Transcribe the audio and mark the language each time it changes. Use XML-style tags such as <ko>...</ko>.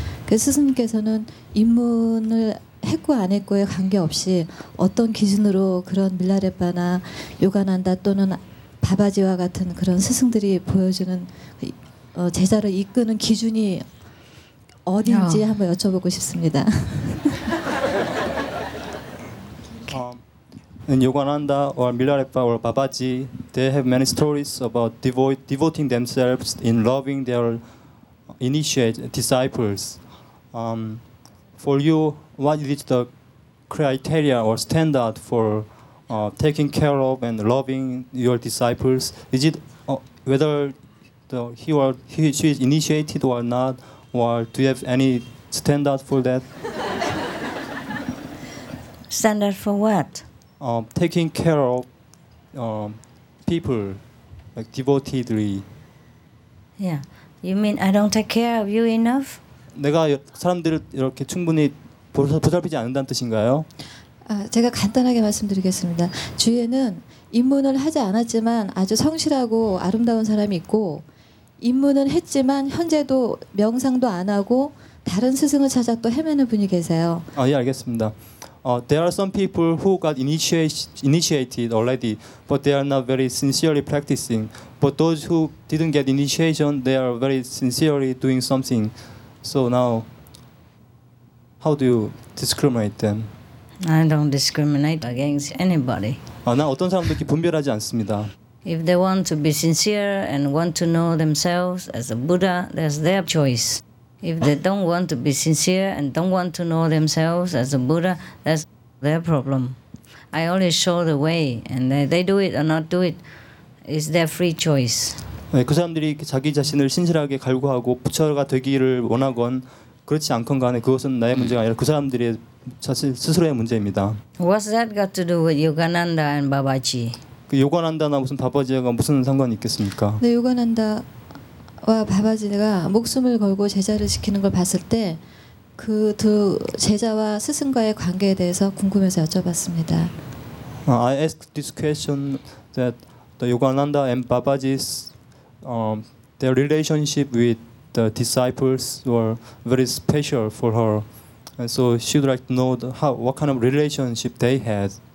<ko>그 스승님께서는 입문을 했고 안 했고에 관계없이 어떤 기준으로 그런 밀라레빠나 요가난다 또는 바바지와 같은 그런 스승들이 보여주는 제자를 이끄는 기준이 어딘지 한번 여쭤보고 싶습니다.</ko> <en>Yogananda or Milarepa or Babaji, they have many stories about devoting themselves in loving their initiate disciples. For you, what is the criteria or standard for taking care of and loving your disciples? Is it whether he or she is initiated or not, or do you have any standard for that? Standard for what? Taking care of people, like devotedly. Yeah. You mean I don't take care of you enough?</en> <ko>내가 사람들을 이렇게 충분히 보살피지 않는다는 뜻인가요? 아, 제가 간단하게 말씀드리겠습니다. 주위에는 입문을 하지 않았지만 아주 성실하고 아름다운 사람이 있고 입문은 했지만 현재도 명상도 안 하고 다른 스승을 찾아 또 헤매는 분이 계세요. 아, 예, 알겠습니다.</ko> <en>There are some people who got initiated already, but they are not very sincerely practicing. But those who didn't get initiation, they are very sincerely doing something. So now, how do you discriminate them? I don't discriminate against anybody.</en> <ko>나 어떤 사람도 이렇게 분별하지 않습니다.</ko> <en>If they want to be sincere and want to know themselves as a Buddha, that's their choice. If they don't want to be sincere and don't want to know themselves as a Buddha, that's their problem. I only show the way, and they do it or not do it. is their free choice.</en> <ko>네, 그 사람들이 자기 자신을 신실하게 갈구하고 부처가 되기를 원하건 그렇지 않건 간에 그것은 나의 문제가 아니라 그 사람들의 자신 스스로의 문제입니다.</ko> <en>What's that got to do with Yogananda and Babaji?</en> <ko>그 요가난다나 무슨 바바지가 무슨 상관이 있겠습니까? 네, 요가난다와 바바지가 목숨을 걸고 제자를 지키는 걸 봤을 때 그 두 제자와 스승과의 관계에 대해서 궁금해서 여쭤봤습니다.</ko> <en>I asked this question that the Yogananda and Babaji's their relationship with the disciples were very special for her, and so she would like to know what kind of relationship they had.</en>